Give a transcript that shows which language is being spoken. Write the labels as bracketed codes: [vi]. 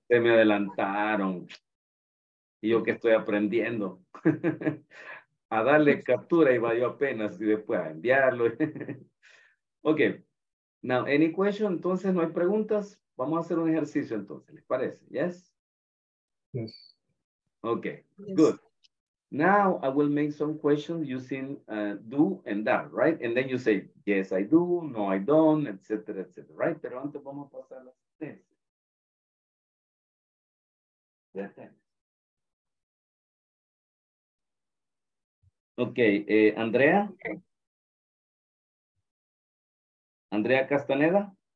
[es] Se me adelantaron. Y yo que estoy aprendiendo. A darle captura y vaya apenas y después a enviarlo. [en] Ok. Now, any question? [es] Entonces, ¿no hay preguntas? Vamos a hacer un ejercicio entonces, ¿les parece? [en] Yes? Yes. Okay, yes. Good. Now, I will make some questions using do and that, right? And then you say, yes, I do, no, I don't, etc., etc., right? [es] Pero antes vamos a pasar a la asistencia. [en] Okay, Andrea? Okay. Andrea Castaneda.